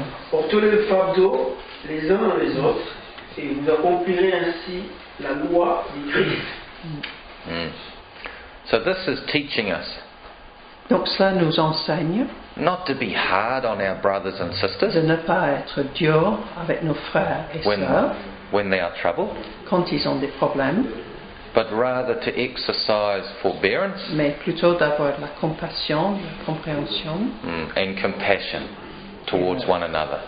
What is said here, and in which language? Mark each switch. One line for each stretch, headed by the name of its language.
French: Portez le fardeau les uns dans les autres et vous accomplirez ainsi la loi du Christ.
English: So this is teaching us.
French: Donc cela nous enseigne.
English: Not to be hard on our brothers and sisters.
French: De ne pas être dur avec nos frères et sœurs.
English: When they are troubled.
French: Quand ils ont des problèmes.
English: But rather to exercise forbearance,
French: mais plutôt d'avoir de la compassion, de la compréhension,
English: and compassion towards et one another.